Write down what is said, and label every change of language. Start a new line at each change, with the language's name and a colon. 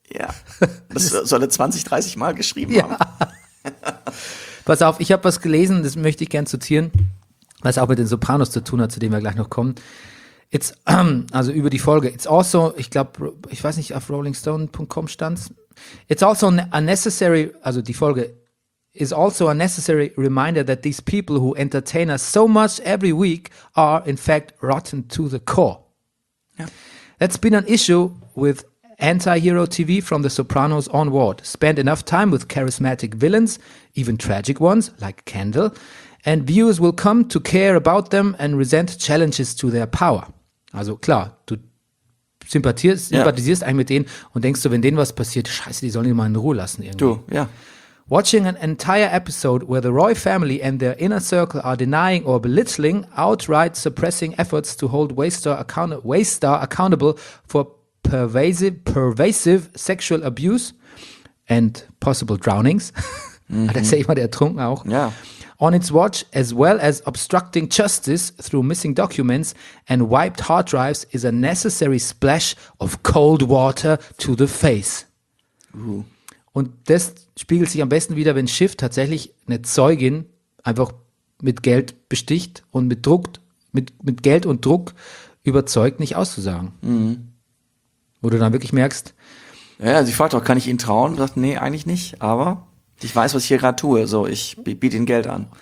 German: Ja, das soll er 20, 30 Mal geschrieben haben. Pass auf, ich habe was gelesen, das möchte ich gern zitieren, was auch mit den Sopranos zu tun hat, zu dem wir gleich noch kommen. It's, also über die Folge.
English: It's also,
German: ich glaube, ich weiß nicht, auf rollingstone.com stand's.
English: It's also a necessary,
German: also die Folge
English: is also a necessary reminder that these people who entertain us so much every week are in fact rotten to the core. Yeah. That's been an issue with anti-hero TV from The Sopranos onward. Spend enough time with charismatic villains, even tragic ones like Kendall, and viewers will come to care about them and resent challenges to their power.
German: Also klar, du sympathisierst eigentlich mit denen und denkst so, wenn denen was passiert, scheiße, die sollen die mal in Ruhe lassen irgendwie. Du, ja.
English: Watching an entire episode where the Roy family and their inner circle are denying or belittling outright suppressing efforts to hold Waystar accountable for pervasive sexual abuse and possible drownings. Mm-hmm.
German: Das ist ja immer der Ertrunken auch. Ja.
English: On its watch, as well as obstructing justice through missing documents and wiped hard drives, is a necessary splash of cold water to the face. Ooh.
German: Und das spiegelt sich am besten wieder, wenn Schiff tatsächlich eine Zeugin einfach mit Geld besticht und mit Geld und Druck überzeugt, nicht auszusagen. Mm-hmm. Wo du dann wirklich merkst. Ja, sie fragt auch, kann ich ihnen trauen? Sagt, nee, eigentlich nicht, aber. Ich weiß, was ich hier gerade tue, so, ich biete ihnen Geld an.